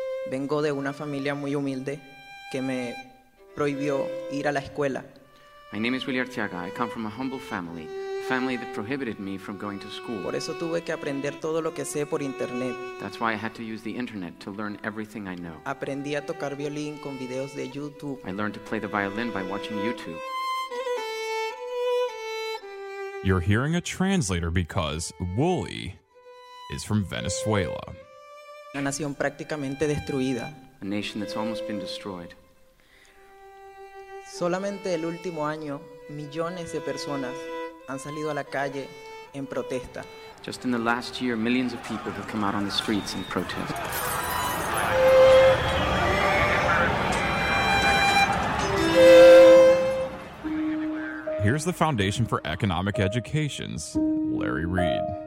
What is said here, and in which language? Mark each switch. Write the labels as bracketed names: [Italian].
[Spanish] Vengo de una familia muy humilde que me prohibió ir a la escuela. [English] My name is Willy Arteaga. I come from a humble family, family that prohibited me from going to school. [Spanish] Por eso tuve que aprender todo lo que sé por internet. [English] That's why I had to use the internet to learn everything I know. [Spanish] Aprendí a tocar violín con videos de YouTube. [English] I learned to play the violin by watching YouTube. You're hearing a translator because Wooly is from Venezuela. [Spanish] Una nación prácticamente destruida. [English] A nation that's almost been destroyed. [Spanish] Solamente el último año, millones de personas han salido a la calle en protesta. [English] Just in the last year, millions of people have come out on the streets in protest. Here's the Foundation for Economic Education's Larry Reed.